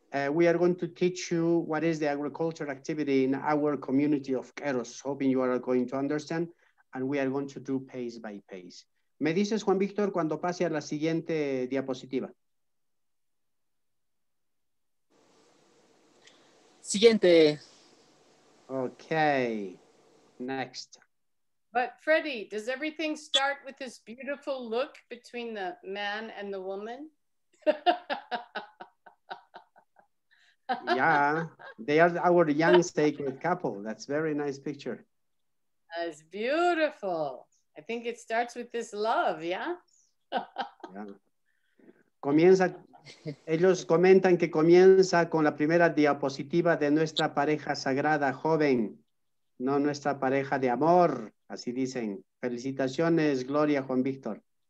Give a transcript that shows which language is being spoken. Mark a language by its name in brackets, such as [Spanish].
[English] We are going to teach you what is the agriculture activity in our community of Queros, hoping you are going to understand, and we are going to do pace by pace. [Spanish] Me dices, Juan Víctor, cuando pase a la siguiente diapositiva. Siguiente. [English] Okay, next. But Freddy, does everything start with this beautiful look between the man and the woman? Yeah, they are our young sacred couple. That's a very nice picture. That's beautiful. I think it starts with this love, yeah? Yeah. [Spanish] Comienza, ellos comentan que comienza con la primera diapositiva de nuestra pareja sagrada joven, no nuestra pareja de amor, así dicen. Felicitaciones, Gloria, Juan Víctor.